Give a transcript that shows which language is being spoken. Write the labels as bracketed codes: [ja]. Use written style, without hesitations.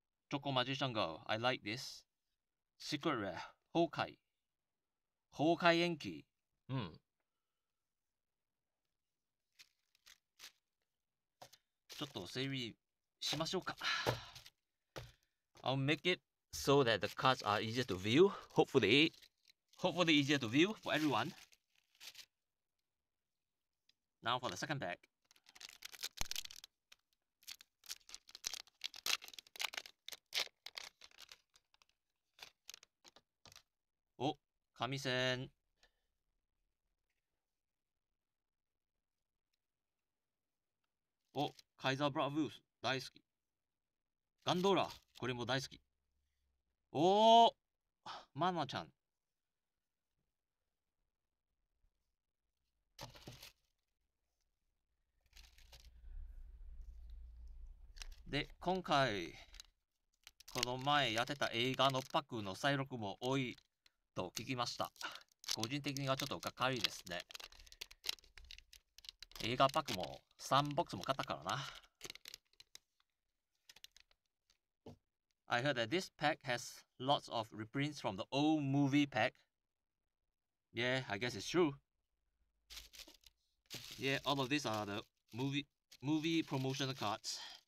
[ja] チョコマジシャンガール。 [en] I like this. Secret Rare. [ja] 崩壊。崩壊延期。ちょっと整備しましょうか。 [en] I'll make it so that the cards are easier to view. Hopefully easier to view for everyone. Now for the second pack. [ja] お、紙線。お、カイザーブラブース、大好き。ガンドーラ、これも大好き。おー、マナちゃん。で、今回、この前やってた映画のパックの再録も多いと聞きました。個人的にはちょっとがっかりですね。映画パックも3ボックスも買ったからな。 [en] I heard that this pack has lots of reprints from the old movie pack. Yeah, I guess it's true. Yeah, all of these are the movie promotion cards.